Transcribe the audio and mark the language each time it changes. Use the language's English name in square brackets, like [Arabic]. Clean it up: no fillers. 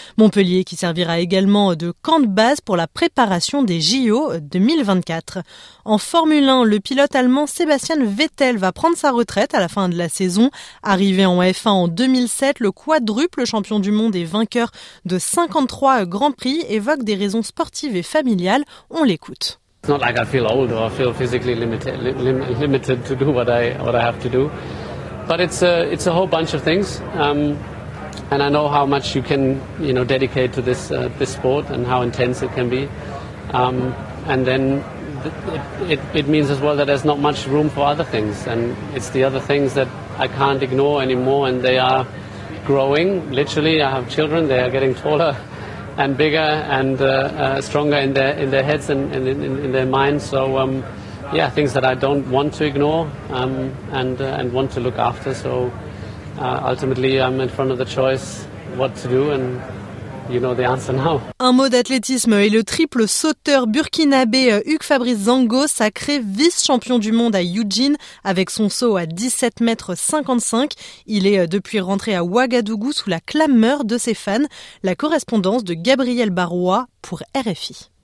[French] Montpellier qui servira également de camp de base pour la préparation des JO 2024. En Formule 1, le pilote allemand Sébastien Vettel va prendre sa retraite à la fin de la saison. Arrivé en F1 en 2007, le quadruple champion du monde et vainqueur de 53 Grands Prix évoque des raisons sportives et familiales. On l'écoute. [English] It's not like I feel old or I feel physically limited to do what I have to do, but it's a whole bunch of things, and I know how much you can dedicate to this sport and how intense it can be, and then it means as well that there's not much room for other things, and it's the other things that I can't ignore anymore, and they are growing. Literally, I have children; they are getting taller and bigger and stronger in their heads and in their minds. So things that I don't want to ignore and want to look after. So ultimately I'm in front of the choice what to do, and you know the answer now. [French] Un mot d'athlétisme et le triple sauteur burkinabé Hugues Fabrice Zango, sacré vice-champion du monde à Eugene avec son saut à 17,55 m. Il est depuis rentré à Ouagadougou sous la clameur de ses fans. La correspondance de Gabriel Barrois pour RFI.